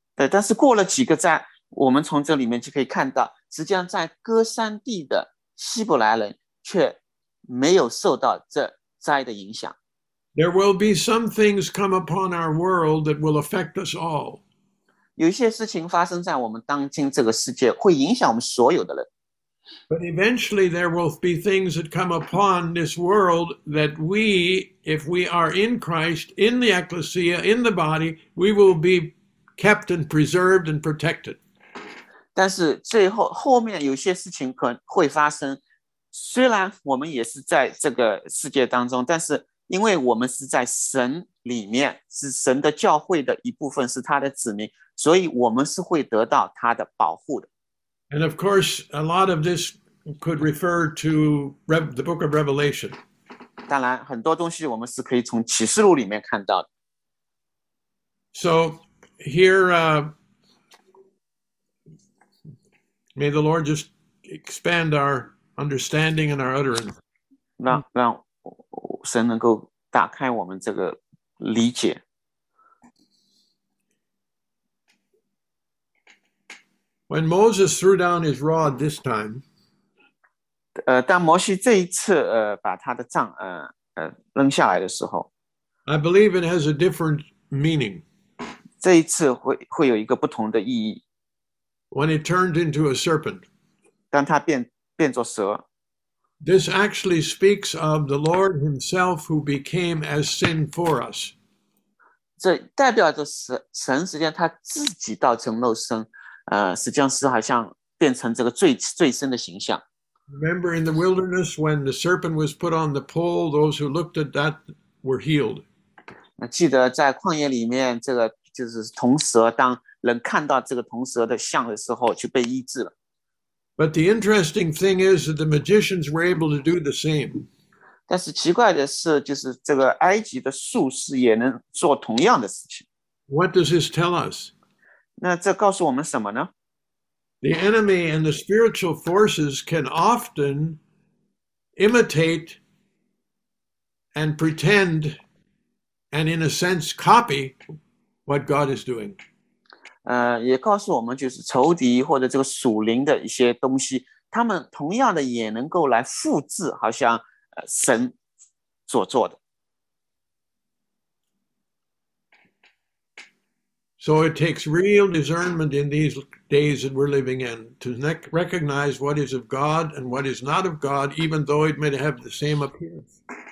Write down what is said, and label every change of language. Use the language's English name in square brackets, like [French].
[Chinese] 但是过了几个灾，我们从这里面就可以看到，实际上在歌山地的希伯来人却没有受到这灾的影响。 [English] There will be some things come upon our world that will affect us all. [Chinese] 有些事情发生在我们当今这个世界，会影响我们所有的人。 [English] But eventually there will be things that come upon this world that we, if we are in Christ, in the ecclesia, in the body, we will be kept and preserved and protected. [Chinese] 但是最后面有些事情可能会发生，虽然我们也是在这个世界当中，但是因为我们是在神里面，是神的教会的一部分，是他的子民，所以我们是会得到他的保护的。 [English] And of course, a lot of this could refer to the book of Revelation. [Chinese] 当然，很多东西我们是可以从启示录里面看到的。 [English] So here, may the Lord just expand our understanding and our utterance. [Chinese] 让神能够打开我们这个理解。 [English] When Moses threw down his rod this time, [Chinese] 当摩西这一次把他的杖扔下来的时候， [English] I believe it has a different meaning. [Chinese] 这一次会有一个不同的意义。 [English] When it turned into a serpent, [Chinese] 当它变作蛇， [English] this actually speaks of the Lord Himself who became as sin for us. [Chinese] 这代表着神实际上他自己道成肉身。实际上是好像变成这个最深的形象。 [English] Remember in the wilderness when the serpent was put on the pole, those who looked at that were healed. [Chinese] 记得在旷野里面，这个就是铜蛇，当人看到这个铜蛇的像的时候，就被医治了。 [English] But the interesting thing is that the magicians were able to do the same. [Chinese] 但是奇怪的是，就是这个埃及的术士也能做同样的事情。 [English] What does this tell us? [Chinese] 那这告诉我们什么呢？ [English] The enemy and the spiritual forces can often imitate and pretend and in a sense copy what God is doing. [Chinese] 也告诉我们就是仇敌或者这个属灵的一些东西，他们同样的也能够来复制，好像神所做的。 [English] So it takes real discernment in these days that we're living in to recognize what is of God and what is not of God, even though it may have the same appearance.